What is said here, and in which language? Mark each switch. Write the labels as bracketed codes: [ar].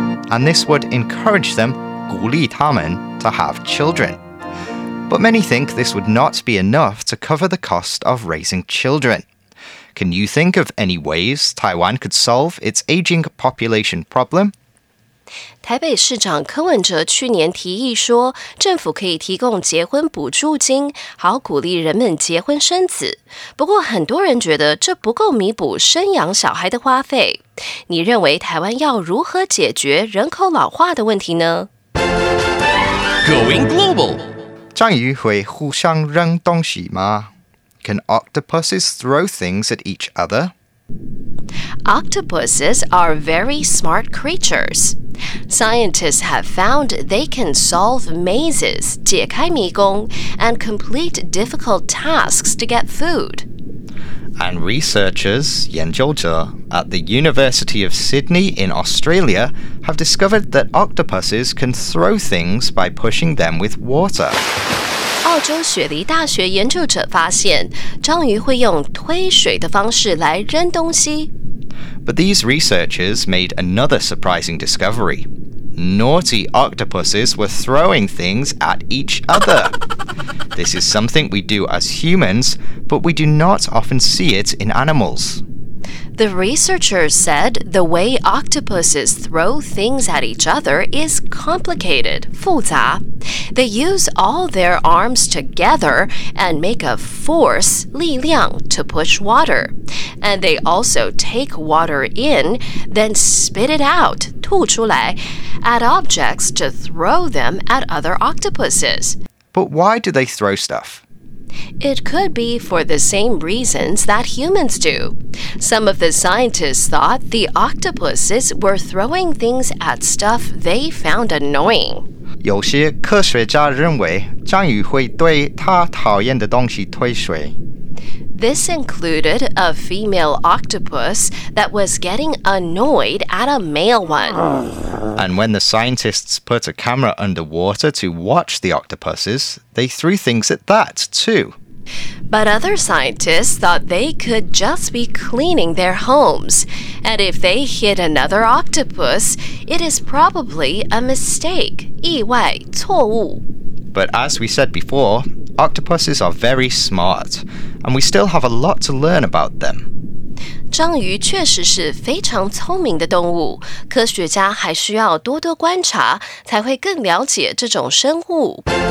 [en] And this would encourage them, [zh] 鼓励他们, [en] to have children. But many think this would not be enough to cover the cost of raising children. Can you think of any ways Taiwan could solve its aging population problem? [zh] 台北市长柯文哲去年提议说，政府可以提供结婚补助金，好鼓励人们结婚生子。不过很多人觉得这不够弥补生养小孩的花费。你认为台湾要如何解决人口老化的问题呢？ [en] Going global. [zh] 章鱼会互相扔东西吗？ [en] Can octopuses throw things at each other? Octopuses are very smart creatures. Scientists have found they can solve mazes, [zh] 解开迷宫, [en] and complete difficult tasks to get food. And researchers, [zh] 研究者, [en] at the University of Sydney in Australia have discovered that octopuses can throw things by pushing them with water. [zh] 澳洲雪梨大学研究者发现，章鱼会用推水的方式来扔东西。 [en] But these researchers made another surprising discovery. Naughty octopuses were throwing things at each other. This is something we do as humans, but we do not often see it in animals. The researchers said the way octopuses throw things at each other is complicated, [zh] 复杂. [en] They use all their arms together and make a force, [zh] 力量, [en] to push water. And they also take water in, then spit it out, [zh] 吐出来, [en] at objects to throw them at other octopuses. But why do they throw stuff? It could be for the same reasons that humans do. Some of the scientists thought the octopuses were throwing things at stuff they found annoying. [zh] 有些科学家认为章鱼会对他讨厌的东西推水。 [en] This included a female octopus that was getting annoyed at a male one. And when the scientists put a camera underwater to watch the octopuses, they threw things at that, too. But other scientists thought they could just be cleaning their homes. And if they hit another octopus, it is probably a mistake. [zh] 意外, 错误. [en] But as we said before, octopuses are very smart, and we still have a lot to learn about them. [zh] 章鱼确实是非常聪明的动物, 科学家还需要多多观察, 才会更了解这种生物。